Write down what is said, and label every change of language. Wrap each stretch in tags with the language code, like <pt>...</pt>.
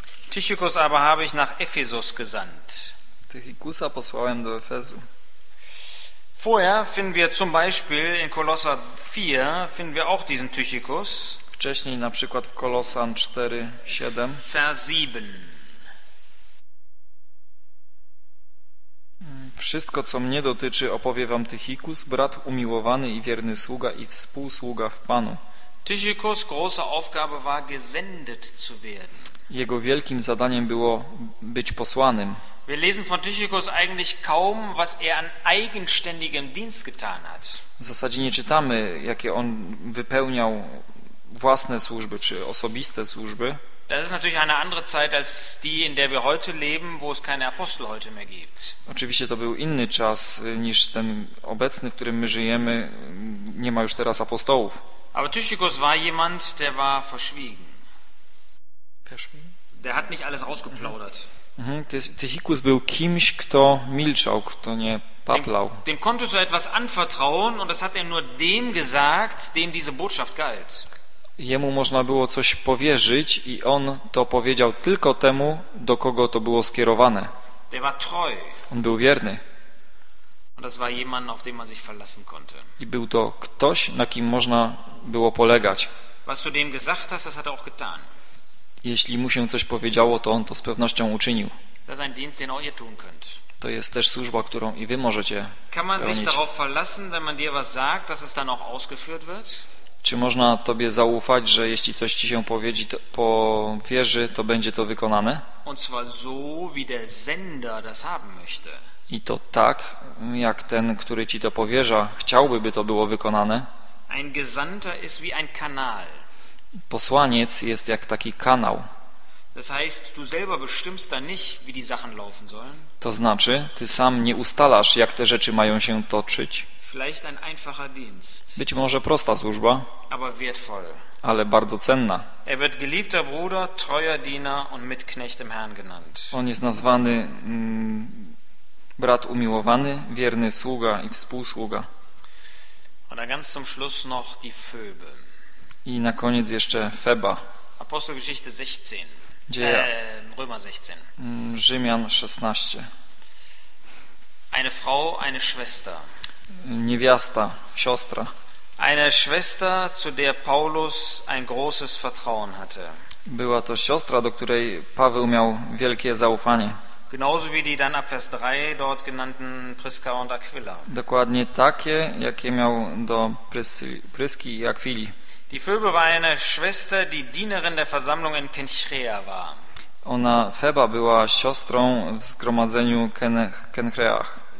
<de>Tychikus aber habe ich nach Ephesus gesandt.</de> <pl>Tychikusa posłałem do Efezu.</pl> <de>Vorher finden wir zum Beispiel in Kolosser 4 finden wir auch diesen Tychikus.</de> <pl>Wcześniej na przykład w Kolosan 4, 7.</pl> <de>Vers 7.</de> <pl>Wszystko, co mnie dotyczy, opowie wam Tychikus, brat umiłowany i wierny sługa i współsługa w Panu.</pl> <de>Tychikus' große Aufgabe war, gesendet zu werden.</de> <pl>Jego wielkim zadaniem było być posłanym.</pl> <de>Wir lesen von Tychikus eigentlich kaum, was er an eigenständigem Dienst getan hat.</de> <pl>W zasadzie nie czytamy, jakie on wypełniał własne służby czy osobiste służby.</pl> <de>Das ist natürlich eine andere Zeit als die, in der wir heute leben, wo es keine Apostel heute mehr gibt.</de> <pl>Oczywiście to był inny czas niż ten obecny, w którym my żyjemy. Nie ma już teraz apostołów.</pl> <de>Aber Tychikus war jemand, der war verschwiegen. Verschwiegen? Der hat nicht alles ausgeplaudert.</de> <pl>Tychikus był kimś, kto milczał, kto nie paplał.</pl> <de>Dem konntest du etwas anvertrauen und das hat er nur dem gesagt, dem diese Botschaft galt.</de> <pl>Jemu można było coś powierzyć i on to powiedział tylko temu, do kogo to było skierowane.</pl> <de>Der war treu.</de> <pl>On był wierny.</pl> <de>Und das war jemand, auf den man sich verlassen konnte.</de> <pl>I był to ktoś, na kim można było polegać.</pl> <de>Was du dem gesagt hast, das hat er auch getan.</de> <pl>Jeśli mu się coś powiedziało, to on to z pewnością uczynił.</pl> <de>Das ist ein Dienst, den auch ihr tun könnt.</de> <pl>To jest też służba, którą i wy możecie pełnić.</pl> <de>Kann man sich darauf verlassen, wenn man dir was sagt, dass es dann auch ausgeführt wird?</de> <pl>Czy można tobie zaufać, że jeśli coś ci się powiedzi, to powierzy, to będzie to wykonane?</pl> <de>Und zwar so, wie der Sender das haben möchte.</de> <pl>I to tak, jak ten, który ci to powierza, chciałby, by to było wykonane.</pl> <de>Ein Gesandter ist wie ein Kanal.</de> <pl>Posłaniec jest jak taki kanał.</pl> <de>Das heißt, du selber bestimmst da nicht, wie die Sachen laufen sollen.</de> <pl>To znaczy, ty sam nie ustalasz, jak te rzeczy mają się toczyć.</pl> <de>Vielleicht ein einfacher Dienst.</de> <pl>Być może prosta służba,</pl> <de>aber wertvoll.</de> <pl>Ale bardzo cenna.</pl> <de>Er wird geliebter Bruder, treuer Diener und Mitknecht im Herrn genannt.</de> <pl>On jest nazwany brat umiłowany, wierny sługa i współsługa.</pl> <de>Und dann ganz zum Schluss noch die Phoebe.</de> <pl>I na koniec jeszcze Feba.</pl> <de>Apostelgeschichte 16.</de> <pl>Dzieje.</pl> <de>Römer 16.</de> <pl>Rzymian 16.</pl> <de>Eine Frau, eine Schwester.</de> <pl>Niewiasta, siostra.</pl> <de>Eine Schwester, zu der Paulus ein großes Vertrauen hatte.</de> <pl>Była to siostra, do której Paweł miał wielkie zaufanie.</pl> <de>Genauso wie die dann ab Vers 3 dort genannten Priska und Aquila.</de> <pl>Dokładnie takie, jakie miał do Pryski i Aquili.</pl> <de>Die Phoebe war eine Schwester, die Dienerin der Versammlung in Kenchrea war.</de> <pl>Ona, Feba, była siostrą w zgromadzeniu Kenchreach.</pl>